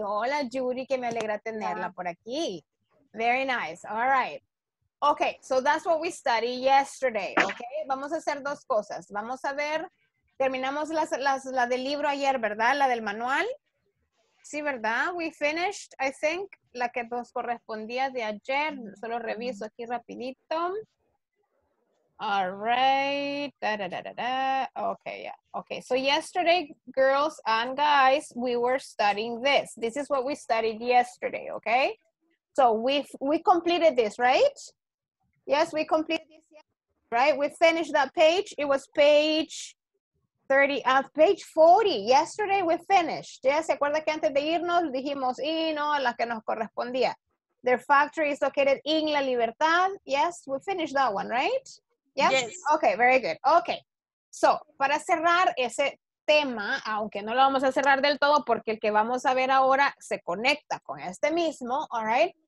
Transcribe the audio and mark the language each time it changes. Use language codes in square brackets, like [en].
[es] Hola, Judy, que me alegra tenerla por aquí. [en] Very nice. All right. Okay, so that's what we studied yesterday, okay? [es] Vamos a hacer dos cosas. Vamos a ver, terminamos la del libro ayer, ¿verdad? La del manual. Sí, ¿verdad? [en] We finished, I think, [es] la que nos correspondía de ayer. Solo reviso aquí rapidito. [en] All right. Da, da, da, da, da. Okay, yeah. Okay, so yesterday, girls and guys, we were studying this. This is what we studied yesterday, okay? So we completed this, right? Yes, we completed this, right? We finished that page. It was page... 30, page 40, yesterday we finished. [es] ¿Ya se acuerda que antes de irnos dijimos, y no, la que nos correspondía? [en] Their factory is located in La Libertad. Yes, we finished that one, right? Yes. Yes. Okay, very good. Okay, so, [es] para cerrar ese tema, aunque no lo vamos a cerrar del todo, porque el que vamos a ver ahora se conecta con este mismo, [en] all right?